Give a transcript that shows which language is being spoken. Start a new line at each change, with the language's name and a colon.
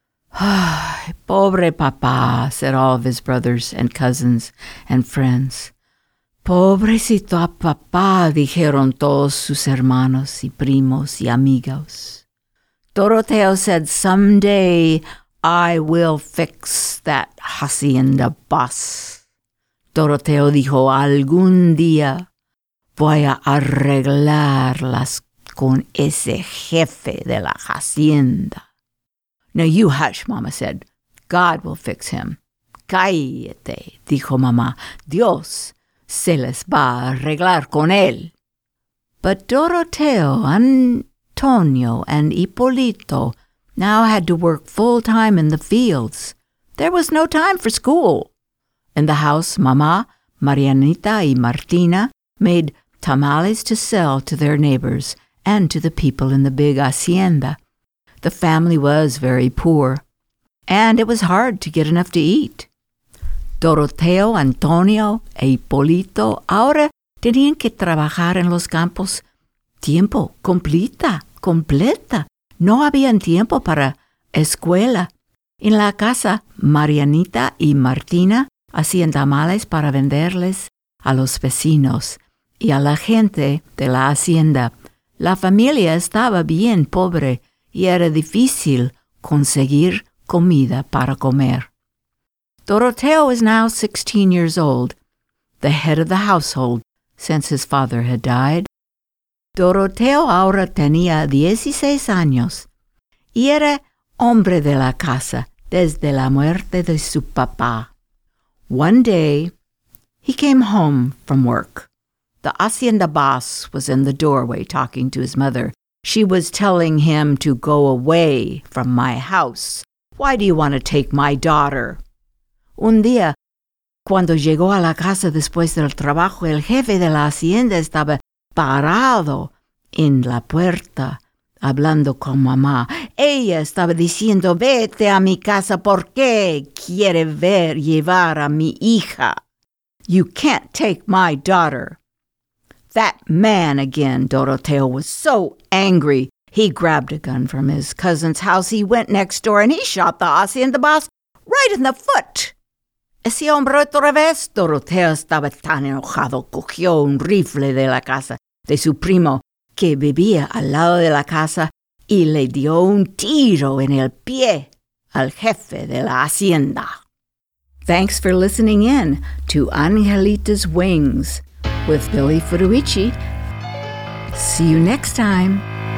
Spanish: "Ay, pobre Papá,"
English: said all of his brothers and cousins and friends.
Spanish: "Pobrecito a Papá," dijeron todos sus hermanos y primos y amigos.
English: Doroteo said, "Someday I will fix that hacienda boss."
Spanish: Doroteo dijo, "Algún día voy a arreglarlas con ese jefe de la hacienda."
English: "Now you hush," Mama said. "God will fix him."
Spanish: "Cállate," dijo Mama. "Dios se les va a arreglar con él."
English: But Doroteo, Antonio, and Hipólito now had to work full time in the fields. There was no time for school. In the house, Mama, Marianita, y Martina made tamales to sell to their neighbors and to the people in the big hacienda. The family was very poor, and it was hard to get enough to eat.
Spanish: Doroteo, Antonio, e Hipólito ahora tenían que trabajar en los campos tiempo completa. No habían tiempo para escuela. En la casa, Marianita y Martina hacían tamales para venderles a los vecinos y a la gente de la hacienda. La familia estaba bien pobre y era difícil conseguir comida para comer.
English: Doroteo is now 16 years old, the head of the household since his father had died.
Spanish: Doroteo ahora tenía 16 años y era hombre de la casa desde la muerte de su papá.
English: One day, he came home from work. The hacienda boss was in the doorway talking to his mother. She was telling him to go away from my house. "Why do you want to take my daughter?"
Spanish: Un día, cuando llegó a la casa después del trabajo, el jefe de la hacienda estaba parado en la puerta, hablando con mamá. Ella estaba diciendo, "Vete a mi casa, ¿por qué quiere ver llevar a mi hija?"
English: "You can't take my daughter." That man again, Doroteo, was so angry. He grabbed a gun from his cousin's house. He went next door and he shot the hacienda boss right in the foot.
Spanish: Ese hombre otra vez, Doroteo estaba tan enojado, cogió un rifle de la casa de su primo, que vivía al lado de la casa, y le dio un tiro en el pie al jefe de la hacienda.
English: Thanks for listening in to Angelita's Wings with Billy Federici. See you next time.